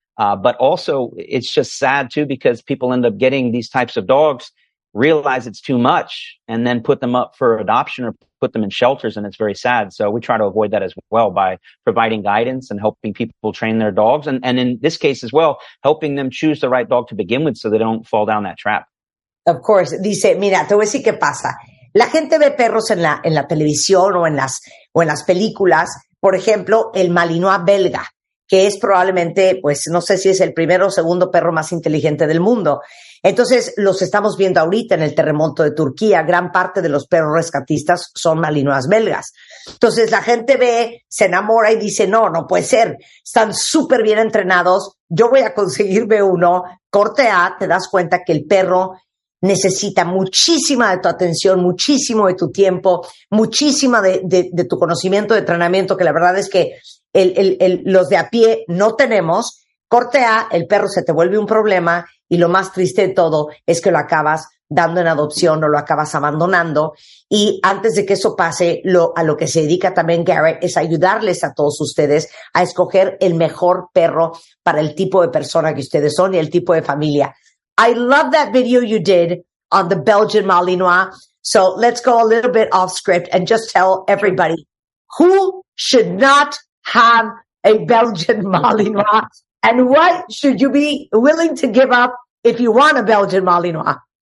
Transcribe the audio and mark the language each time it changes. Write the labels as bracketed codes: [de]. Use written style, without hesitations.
[en] But also it's just sad too, because people end up getting these types of dogs, realize it's too much, and then put them up for adoption or put them in shelters, and it's very sad. So we try to avoid that as well by providing guidance and helping people train their dogs, and in this case as well, helping them choose the right dog to begin with so they don't fall down that trap. Of course. [es] Dice, mira, te voy a decir qué pasa. La gente ve perros en la televisión o en las películas. Por ejemplo, el Malinois belga, que es probablemente, pues no sé si es el primero o segundo perro más inteligente del mundo. Entonces, los estamos viendo ahorita en el terremoto de Turquía. Gran parte de los perros rescatistas son malinois belgas. Entonces, la gente ve, se enamora y dice, no, no puede ser. Están súper bien entrenados. Yo voy a conseguirme uno. Corte A, te das cuenta que el perro necesita muchísima de tu atención, muchísimo de tu tiempo, muchísima de tu conocimiento, de entrenamiento, que la verdad es que los de a pie no tenemos. Corte A, el perro se te vuelve un problema y lo más triste de todo es que lo acabas dando en adopción o lo acabas abandonando. Y antes de que eso pase, a lo que se dedica también Garrett es ayudarles a todos ustedes a escoger el mejor perro para el tipo de persona que ustedes son y el tipo de familia. [en] I love that video you did on the Belgian Malinois. So let's go a little bit off script and just tell everybody who should not have a Belgian Malinois and what should you be willing to give up if you want a Belgian Malinois?